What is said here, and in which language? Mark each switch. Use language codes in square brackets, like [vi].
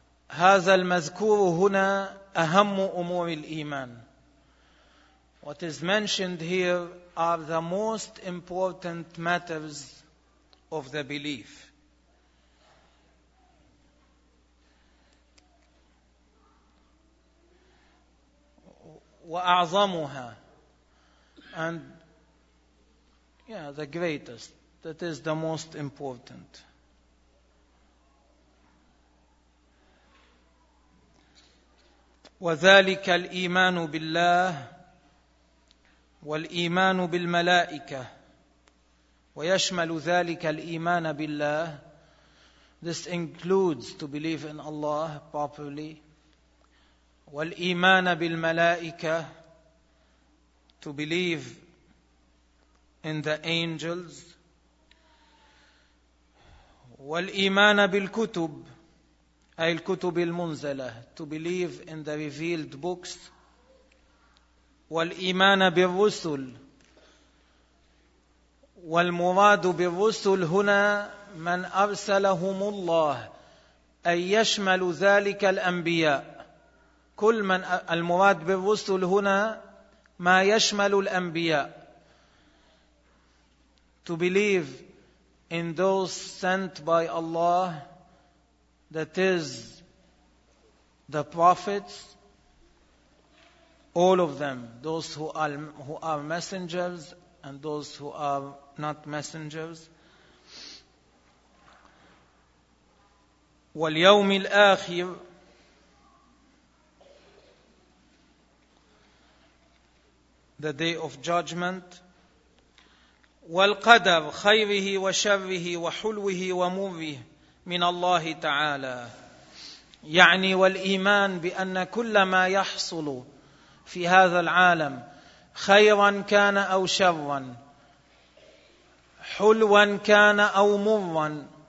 [ar] هذا المذكور هنا أهم أمور الإيمان. [en] What is mentioned here are the most important matters of the belief. [ar] وأعظمها, [en] and yeah, the greatest, that is the most important. [ar] وذلك الإيمان بالله والإيمان بالملائكة. ويشمل ذلك الإيمان بالله, [en] this includes to believe in Allah properly, [ar] والإيمان بالملائكة, [en] to believe in the angels, [ar] والإيمان بالكتب, أي الكتب المنزلة, [en] to believe in the revealed books, [ar] والإيمان بالرسل. والمراد بالرسل هنا من أرسلهم الله, أي يشمل ذلك الأنبياء. كل من المراد بالرسل هنا ما يشمل الأنبياء. [en] To believe in those sent by Allah, that is the prophets, all of them, those who are messengers and those who are not messengers. [ar] واليوم الآخر, [en] the day of judgment. [ar] والقدر خيره وشره وحلوه ومره من الله تعالى, يعني والإيمان بأن كل ما يحصل في هذا العالم خيرا كان أو شرا, حلوا كان أو مرا.